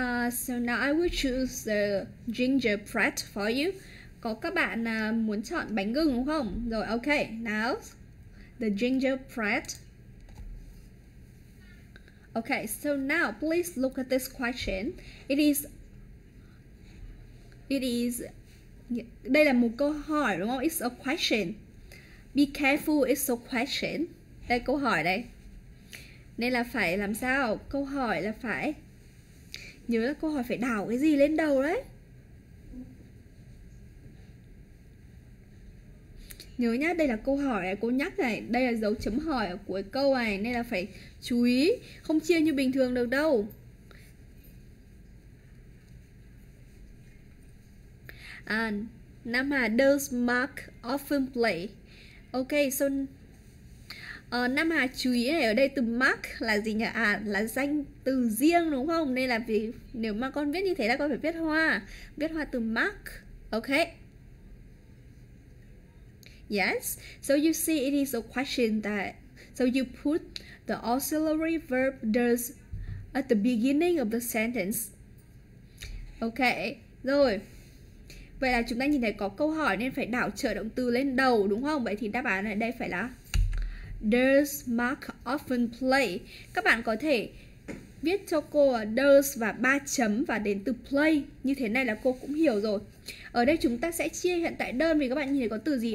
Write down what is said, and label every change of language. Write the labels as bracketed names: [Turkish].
[English] So now I will choose the gingerbread for you. [Vietnamese] Có các bạn muốn chọn bánh gừng đúng không? [English] Rồi, okay. Now, the gingerbread. Okay, so now, please look at this question. [Vietnamese] It is, đây là một câu hỏi đúng không? [English] It's a question. Be careful, it's a question. [Vietnamese] Đây, câu hỏi đây. Nên là phải làm sao? Câu hỏi là phải, nhớ là câu hỏi phải đảo cái gì lên đầu đấy. Nhớ nhá, đây là câu hỏi này, cô nhắc này, đây là dấu chấm hỏi ở cuối câu này, nên là phải chú ý, không chia như bình thường được đâu. [English] Nam Hà, does Mark often play? [Vietnamese] Ok, so Nam Hà chú ý này, ở đây từ Mark là gì nhỉ? À, là danh từ riêng đúng không? Nên là vì nếu mà con viết như thế là con phải viết hoa từ Mark, ok. [English] Yes, so you see it is a question that, so you put the auxiliary verb does at the beginning of the sentence. Okay, rồi. [Vietnamese] Vậy là chúng ta nhìn thấy có câu hỏi nên phải đảo trợ động từ lên đầu đúng không? Vậy thì đáp án ở đây phải là [English] does Mark often play? [Vietnamese] Các bạn có thể viết cho cô does và ba chấm và đến từ play. Như thế này là cô cũng hiểu rồi. Ở đây chúng ta sẽ chia hiện tại đơn vì các bạn nhìn thấy có từ gì?